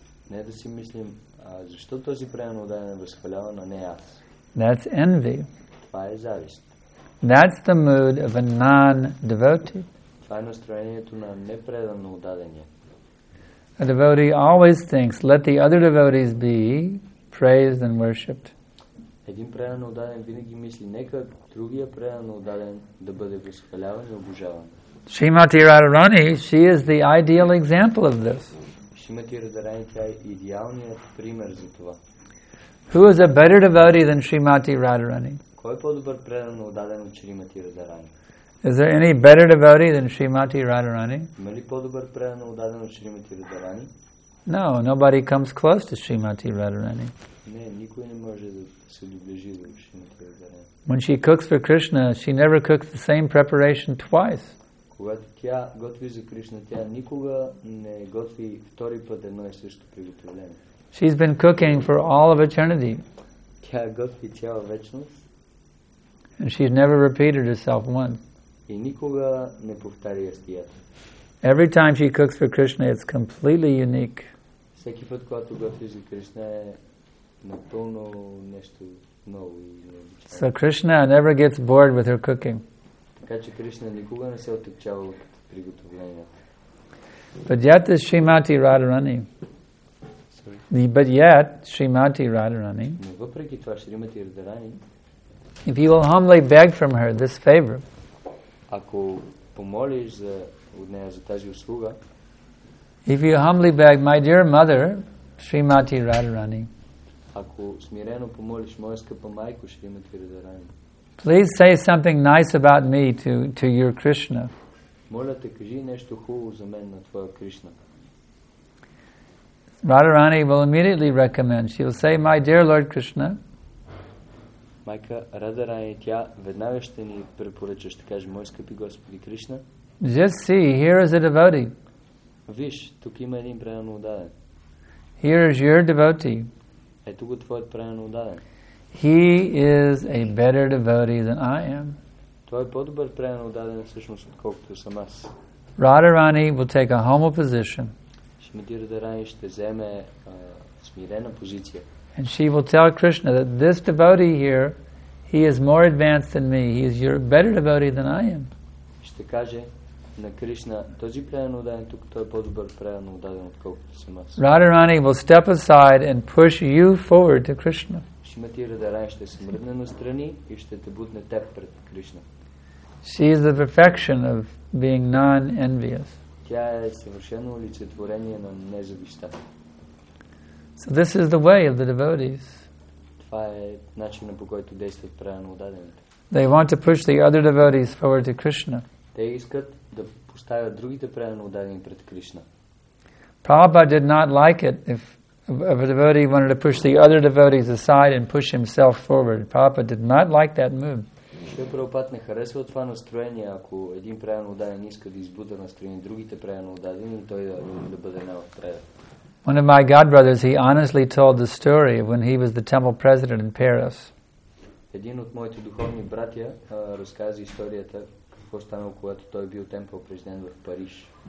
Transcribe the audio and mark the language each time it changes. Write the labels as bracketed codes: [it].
[bg] Не да си мислим, защо този предано отдаден е възхваляван, а не аз? [en] That's envy. [bg] Това е завист. [en] That's the mood of a non-devotee. [bg] Това е настроението на непредано отдадения. [en] A devotee always thinks, let the other devotees be praised and worshipped. [bg] Един преданно отдаден винаги мисли, нека другия преданно отдаден да бъде възхваляван и обожаван. [en] Shrimati Radharani, she is the ideal example of this. [bg] Shrimati Radharani, тя е идеалният пример за това. [en] Who is a better devotee than Shrimati Radharani? [bg] Кой е по-добър преданно отдаден от Shrimati Radharani? [en] Is there any better devotee than Shrimati Radharani? [bg] Има ли по-добър преданно отдаден от Shrimati Radharani? [en] No, nobody comes close to Shrimati Radharani. [bg] Не, никой не може да се доближи до Shrimati Radharani. [en] When she cooks for Krishna, she never cooks the same preparation twice. [bg] Когато тя готви за Кришна, тя никога не готви втори път едно и също приготовление. [en] She's been cooking for all of eternity. [bg] Тя готви цяла вечност. [en] And she's never repeated herself once. [bg] И никога не повтаря ястието. [en] Every time she cooks for Krishna, it's completely unique. [bg] Всеки път, когато готви за Кришна, е напълно нещо ново и необичайно. [en] So Krishna never gets bored with her cooking. [bg] Така че Кришна никога не се отекчава от приготовлението. [en] But yet the Shrimati Radharani. Sorry. But yet Shrimati Radharani. [bg] Но въпреки това Shrimati Radharani. [en] If you will humbly beg from her this favor. [bg] Ако помолиш за от нея за тази услуга. [en] If you humbly beg, my dear mother, Shrimati Radharani. [bg] Ако смирено помолиш моя скъпа майко Shrimati Radharani. [en] Please say something nice about me to your Krishna. [bg] Моля те, кажи нещо хубаво за мен на твоя Кришна. [en] Radharani will immediately recommend. She will say, my dear Lord Krishna. [bg] Майка Радарани, тя веднага ще ни препоръча, ще каже, мой скъпи Господи Кришна. [en] Just see, here is a devotee. [bg] Виж, тук има един преданно отдаден. [en] Here is your devotee. [bg] Ето го твоят преданно отдаден. [en] He is a better devotee than I am. [bg] Той е по-добър преданно отдаден всъщност, отколкото съм аз. [en] Radharani will take a humble position. [bg] Шимати Радарани ще вземе смирена позиция. [en] And she will tell Krishna that this devotee here, he is more advanced than me. He is your better devotee than I am. [bg] Ще каже на Кришна, този преданно отдаден тук, той е по-добър преданно отдаден, отколкото съм аз. [en] Radharani will step aside and push you forward to Krishna. [bg] Шимати Радарани ще се мръдне настрани и ще те бутне теб пред Кришна. [en] She is the perfection of being non-envious. [bg] Тя е съвършено олицетворение на независта. [en] So this is the way of the devotees. [bg] Това е начинът, по който действат правилно отдадените. [en] They want to push the other devotees forward to Krishna. [bg] Те искат да поставят другите правилно отдадени пред Кришна. [en] Prabhupada did not like it if a devotee wanted to push the other devotees aside and push himself forward. Prabhupada did not like that move. [bg] Шрила Прабхупада не харесва това настроение, ако един правилно отдаден иска да избута настроение другите правилно отдадени, той да бъде най-отпред. [en] One of my godbrothers, he honestly told the story of when he was the temple president in Paris. [bg] Един от моите духовни братя разказа историята какво станало, когато той бил темпъл президент в Париж.